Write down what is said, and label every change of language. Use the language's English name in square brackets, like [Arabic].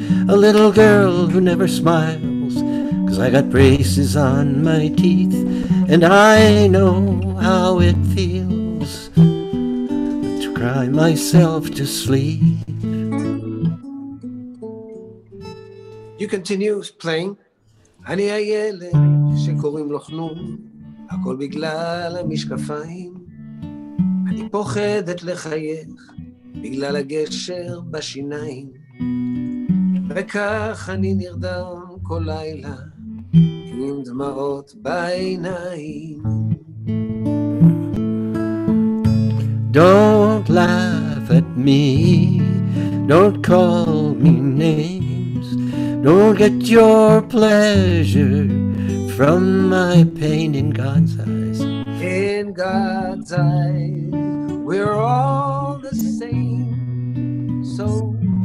[English] A little girl who never smiles, 'cause I got braces on my teeth. And I know how it feels to cry myself to sleep. You continue playing. [Hebrew] אני הילד שקוראים לו חנון, הכל בגלל המשקפיים. פוחדת לחייך בגלל הגשר בשיניים, וכך אני נרדם כל לילה עם דמעות בעיניים. [English] Don't laugh at me, don't call me names, don't get your pleasure from my pain. In God's eyes, in God's eyes, we're all the same, so